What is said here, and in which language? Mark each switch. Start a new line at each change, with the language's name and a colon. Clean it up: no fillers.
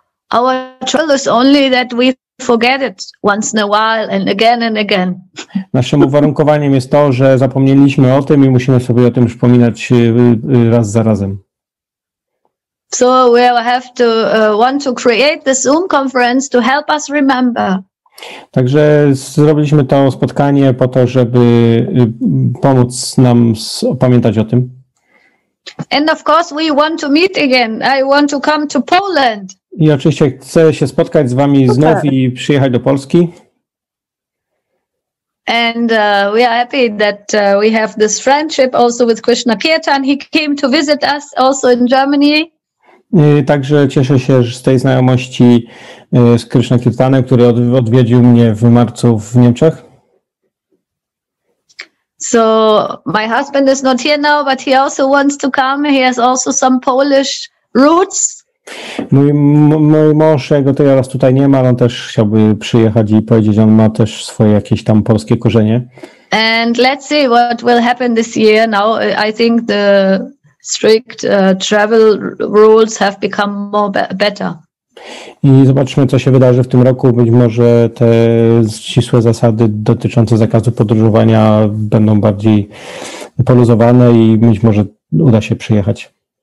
English: Our trouble is only that we forget it once in a while and again and again.
Polish: Naszym uwarunkowaniem jest to, że zapomnieliśmy o tym i musimy sobie o tym przypominać raz za razem.
English: So we have to want to create this Zoom conference to help us remember.
Polish: Także zrobiliśmy to spotkanie po to, żeby pomóc nam pamiętać o tym.
English: And of course we want to meet again. I want to come to Poland.
Polish: I oczywiście chcę się spotkać z wami znów i przyjechać do Polski.
English: And we are happy that we have this friendship also with KrysznaKirtan. He came to visit us also in Germany.
Polish: Także cieszę się z tej znajomości z KrysznaKirtanem, który odwiedził mnie w marcu w Niemczech.
English: So my husband is not here now, but he also wants to come. He has also some Polish roots.
Polish: Mój mąż, jego teraz tutaj nie ma, on też chciałby przyjechać i powiedzieć, on ma też swoje jakieś tam polskie korzenie.
English: And let's see what will happen this year now. I think the strict travel rules have become more better.
Polish: I zobaczymy, co się wydarzy w tym roku. Być może te ścisłe zasady dotyczące zakazu podróżowania będą bardziej poluzowane i być może uda się przyjechać.